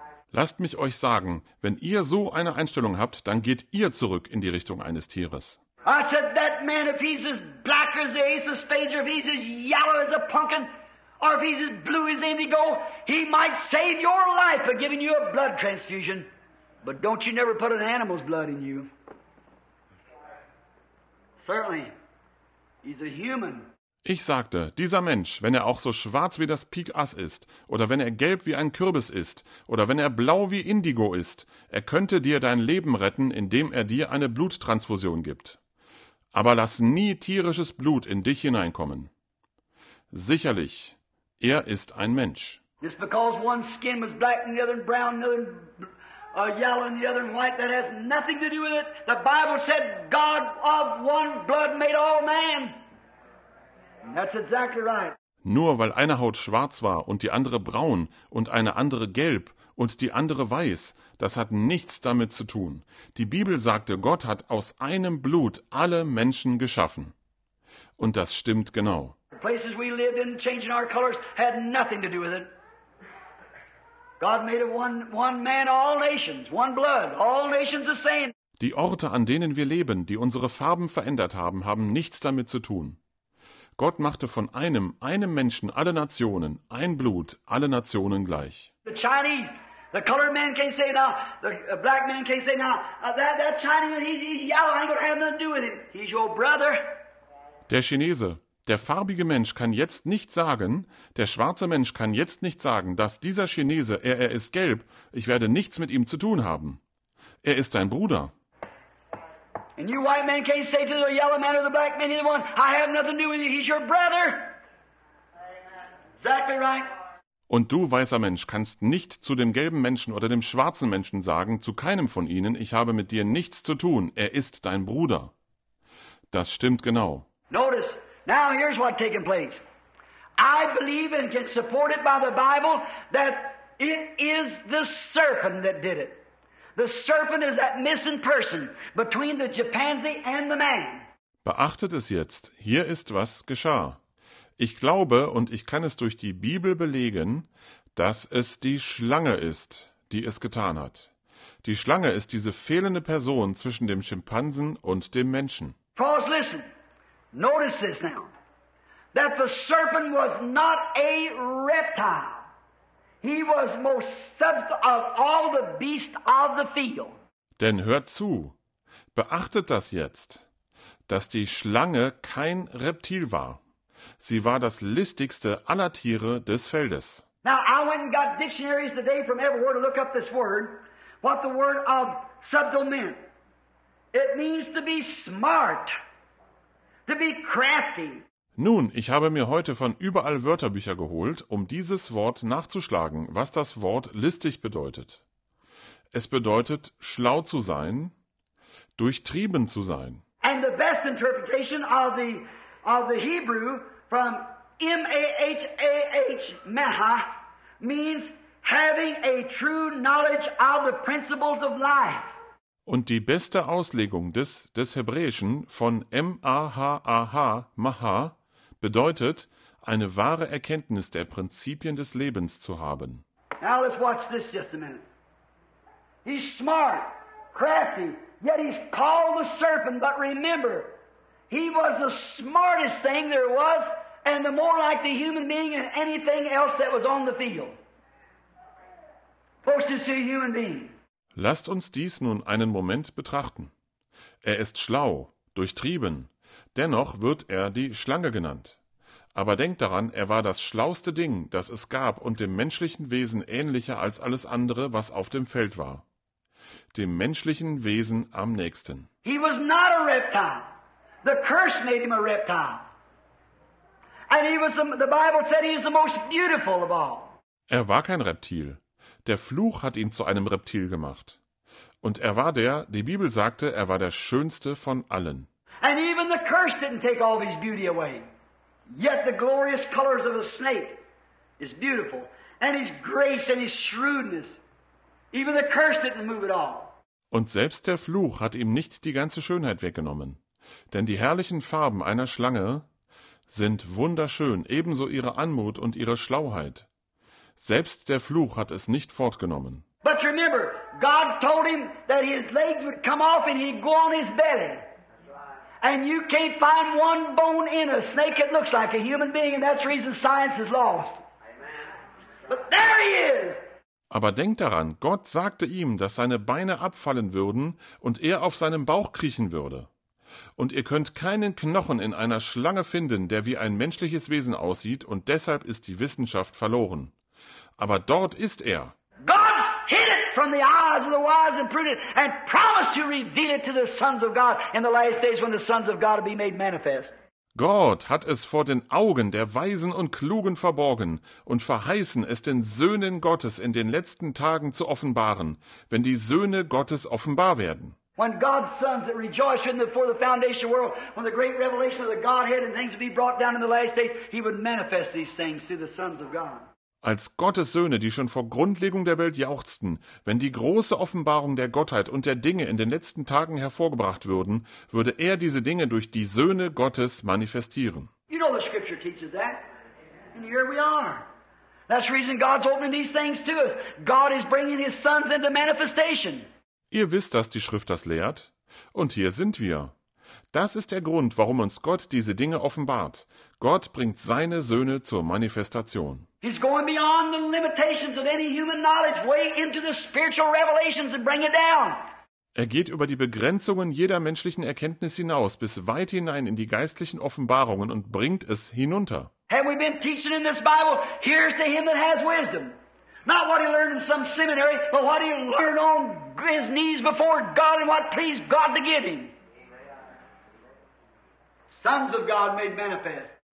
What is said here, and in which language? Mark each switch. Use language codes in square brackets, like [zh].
[de] Lasst mich euch sagen, wenn ihr so eine Einstellung habt, dann geht ihr zurück in die Richtung eines Tieres. [en] I said, that man, if he's as black as the ace of spades, or if he's as yellow as a pumpkin, or if he's as blue as indigo, he might save your life by giving you a blood transfusion. But don't you never put an animal's blood in you. Certainly, he's a human. [de] Ich sagte, dieser Mensch, wenn er auch so schwarz wie das Pikass ist, oder wenn er gelb wie ein Kürbis ist, oder wenn er blau wie Indigo ist, er könnte dir dein Leben retten, indem er dir eine Bluttransfusion gibt. Aber lass nie tierisches Blut in dich hineinkommen. Sicherlich, er ist ein Mensch. [en] Just because one skin was black and the other brown, and the other yellow and the other white, that has nothing to do with it. The Bible said, God of one blood made all man. And that's exactly right. [de] Nur weil eine Haut schwarz war und die andere braun und eine andere gelb und die andere weiß, das hat nichts damit zu tun. Die Bibel sagte, Gott hat aus einem Blut alle Menschen geschaffen. Und das stimmt genau. [en] The places we lived in, changing our colors, had nothing to do with it. God made of one man all nations, one blood, all nations the same. [de] Die Orte, an denen wir leben, die unsere Farben verändert haben, haben nichts damit zu tun. Gott machte von einem Menschen alle Nationen, ein Blut, alle Nationen gleich. [en] The Chinese, the colored man can't say now, the black man can't say now, that Chinese, he's yellow, I ain't gonna have nothing to do with him. He's your brother. [de] Der Chinese, der farbige Mensch kann jetzt nicht sagen, der schwarze Mensch kann jetzt nicht sagen, dass dieser Chinese, er ist gelb, ich werde nichts mit ihm zu tun haben. Er ist dein Bruder. [en] And you white men can't say to the yellow man or the black man, anyone, I have nothing to do with you, he's your brother. Exactly right. [de] Und du, weißer Mensch, kannst nicht zu dem gelben Menschen oder dem schwarzen Menschen sagen, zu keinem von ihnen, ich habe mit dir nichts zu tun, er ist dein Bruder. Das stimmt genau. [en] Notice, now here's what's taking place. I believe and can support it by the Bible that it is the serpent that did it. The serpent is that missing person between the chimpanzee and the man. [de] Beachtet es jetzt, hier ist was geschah. Ich glaube und ich kann es durch die Bibel belegen, dass es die Schlange ist, die es getan hat. Die Schlange ist diese fehlende Person zwischen dem Schimpansen und dem Menschen. [en] Pause, listen. Notice this now. That the serpent was not a reptile. He was most subtle of all the beasts of the field. [de] Denn hört zu. Beachtet das jetzt, dass die Schlange kein Reptil war. Sie war das listigste aller Tiere des Feldes. [en] Now I went and got dictionaries today from everywhere to look up this word, what the word of subtle meant. It means to be smart. To be crafty. [de] Nun, ich habe mir heute von überall Wörterbücher geholt, um dieses Wort nachzuschlagen, was das Wort listig bedeutet. Es bedeutet, schlau zu sein, durchtrieben zu sein. [en] And the best interpretation of the Hebrew from M-A-H-A-H, Meha, means having a true knowledge of the principles of life. [de] Und die beste Auslegung des Hebräischen von M-A-H-A-H, Maha, bedeutet, eine wahre Erkenntnis der Prinzipien des Lebens zu haben. [en] Now let's watch this just a minute. He's smart, crafty, yet he's called the serpent, but remember, he was the smartest thing there was, and the more like the human being than anything else that was on the field. Closest to a human being. [de] Lasst uns dies nun einen Moment betrachten. Er ist schlau, durchtrieben. Dennoch wird er die Schlange genannt. Aber denkt daran, er war das schlauste Ding, das es gab und dem menschlichen Wesen ähnlicher als alles andere, was auf dem Feld war. Dem menschlichen Wesen am nächsten. [en] He was not a reptile. The curse made him a reptile. And he was, the Bible said he is the most beautiful of all. [de] Er war kein Reptil. Der Fluch hat ihn zu einem Reptil gemacht. Und er war der, die Bibel sagte, er war der schönste von allen. [en] And even the curse didn't take all his beauty away. Yet the glorious colors of a snake is beautiful. And his grace and his shrewdness. Even the curse didn't move it all. [de] Und selbst der Fluch hat ihm nicht die ganze Schönheit weggenommen. Denn die herrlichen Farben einer Schlange sind wunderschön, ebenso ihre Anmut und ihre Schlauheit. Selbst der Fluch hat es nicht fortgenommen. [en] But remember, God told him that his legs would come off and he'd go on his belly. And you can't find one bone in a snake that looks like a human being, and that's the reason science is lost. But there he is! [de] Aber denk daran, Gott sagte ihm, dass seine Beine abfallen würden und er auf seinem Bauch kriechen würde. Und ihr könnt keinen Knochen in einer Schlange finden, der wie ein menschliches Wesen aussieht, und deshalb ist die Wissenschaft verloren. Aber dort ist er. [en] God hid it from the eyes of the wise and prudent and promised to reveal it to the sons of God in the last days when the sons of God will be made manifest. [de] Gott hat es vor den Augen der Weisen und Klugen verborgen und verheißen, es den Söhnen Gottes in den letzten Tagen zu offenbaren, wenn die Söhne Gottes offenbar werden. [en] When God's sons that rejoice in before the foundation of the world, when the great revelation of the Godhead and things will be brought down in the last days, he would manifest these things to the sons of God. [de] Als Gottes Söhne, die schon vor Grundlegung der Welt jauchzten, wenn die große Offenbarung der Gottheit und der Dinge in den letzten Tagen hervorgebracht würden, würde er diese Dinge durch die Söhne Gottes manifestieren. [en] You know the scripture teaches that. And here we are. That's the reason God's opening these things to us. God is bringing his sons into manifestation. [de] Ihr wisst, dass die Schrift das lehrt. Und hier sind wir. Das ist der Grund, warum uns Gott diese Dinge offenbart. Gott bringt seine Söhne zur Manifestation. [en] He's going beyond the limitations of any human knowledge, way into the spiritual revelations and bring it down. [de] Er geht über die Begrenzungen jeder menschlichen Erkenntnis hinaus, bis weit hinein in die geistlichen Offenbarungen und bringt es hinunter. [en] Have we been teaching in this Bible, here's to him that has wisdom. Not what he learned in some seminary, but what he learned on his knees before God and what pleased God to give him. Sons of God made manifest.